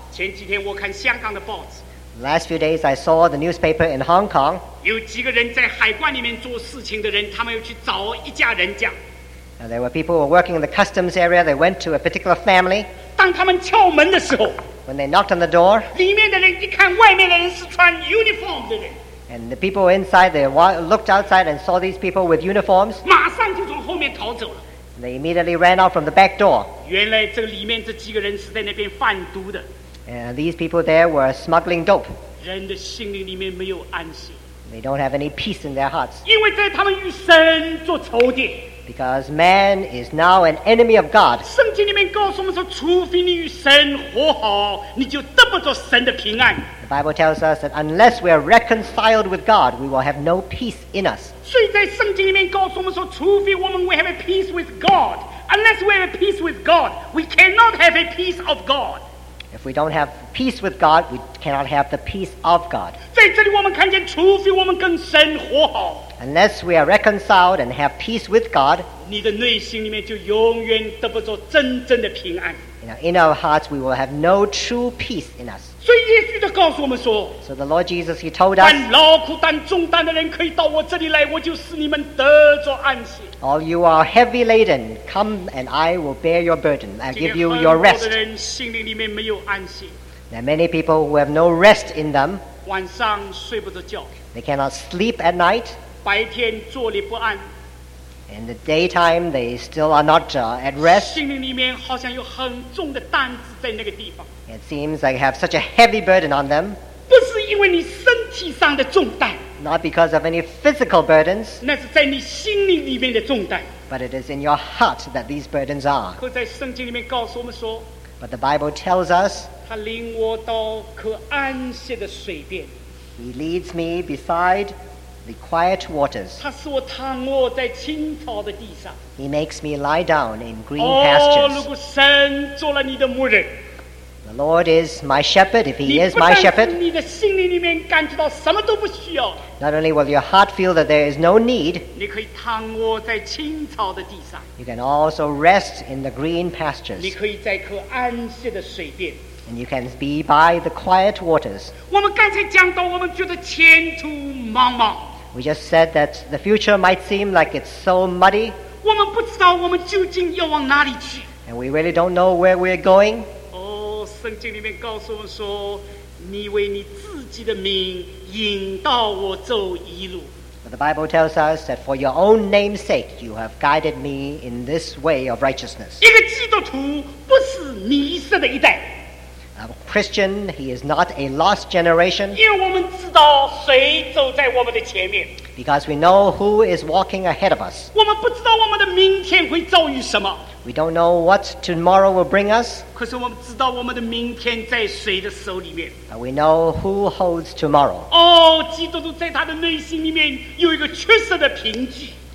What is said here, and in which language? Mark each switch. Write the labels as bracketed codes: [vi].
[zh] 前几天我看香港的报纸。 [en] Last few days, I saw the newspaper in Hong Kong. [zh] 有几个人在海关里面做事情的人，他们要去找一家人家。 [en] Now, there were people who were working in the customs area. They went to a particular family. [zh] 当他们敲门的时候, [en] when they knocked on the door, [zh] 里面的人一看外面的人是穿 uniform 的人。 [en] And the people inside, they looked outside and saw these people with uniforms. [zh] 马上就从后面逃走了。 [en] And they immediately ran out from the back door. [zh] 原来这里面这几个人是在那边贩毒的。 [en] And these people there were smuggling dope. [zh] 人的心灵里面没有安息。 [en] They don't have any peace in their hearts. [zh] 因为在他们与神做仇敌。 [en] Because man is now an enemy of God. [zh] 圣经里面告诉我们说，除非你与神和好，你就得不着神的平安。 [en] The Bible tells us that unless we are reconciled with God, we will have no peace in us. [zh] 所以在圣经里面告诉我们说，除非我们 [en] will have a peace with God. Unless we have a peace with God, we cannot have a peace of God. If we don't have peace with God, we cannot have the peace of God. [zh] 在这里我们看见，除非我们跟神和好。 [en] Unless we are reconciled and have peace with God, [zh] 你的内心里面就永远得不着真正的平安。 [en] In our hearts, we will have no true peace in us. [zh] 所以耶稣就告诉我们说, [en] So the Lord Jesus, he told us, [zh] 但劳苦担重担的人可以到我这里来, 我就使你们得着安息。 [en] All you are heavy laden, come and I will bear your burden. I give you your rest. [zh] 这些很多的人心灵里面没有安息。 [en] There are many people who have no rest in them. [zh] 晚上睡不着觉。 [en] They cannot sleep at night. [zh] 白天坐立不安。 [en] In the daytime, they still are not at rest. [zh] 心灵里面好像有很重的担子在那个地方。 [en] It seems like they have such a heavy burden on them. [zh] 不是因为你身体上的重担。 [en] Not because of any physical burdens. [zh] 那是在你心灵里面的重担。 [en] But it is in your heart that these burdens are. [zh] 可在圣经里面告诉我们说。 [en] But the Bible tells us. [zh] 他领我到可安歇的水边。 [en] He leads me beside the quiet waters. [zh] 他使我躺卧在青草的地上。 [en] He makes me lie down in green pastures. [zh] 哦，如果神做了你的牧人。 [en] The Lord is my shepherd, if he is my shepherd. [zh] 你的心灵里面感觉到什么都不需要。 [en] Not only will your heart feel that there is no need, [zh] 你可以躺卧在青草的地上。 [en] You can also rest in the green pastures. [zh] 你可以在可安歇的水边。 [en] And you can be by the quiet waters. [zh] 我们刚才讲到，我们觉得前途茫茫。 [en] We just said that the future might seem like it's so muddy. [zh] 我们不知道我们究竟要往哪里去。 [en] And we really don't know where we're going. [zh] 哦，圣经里面告诉我们说，你为你自己的名引导我走一路。 [en] But the Bible tells us that for your own name's sake, you have guided me in this way of righteousness. [zh] 一个基督徒不是迷失的一代。 [en] A Christian, he is not a lost generation. [zh] 因为我们知道谁走在我们的前面。 [en] Because we know who is walking ahead of us. [zh] 我们不知道我们的明天会遭遇什么。 [en] We don't know what tomorrow will bring us. [zh] 可是我们知道我们的明天在谁的手里面。 [en] But we know who holds tomorrow. [zh] 哦，基督徒在他的内心里面有一个确实的凭据。